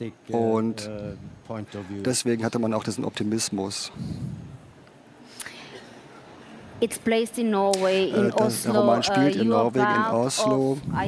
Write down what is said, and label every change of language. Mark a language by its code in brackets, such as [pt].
[de] Und deswegen hatte man auch diesen Optimismus. [en] It's placed in Norway, in Oslo. [de] Der Roman spielt in Norwegen, in Oslo.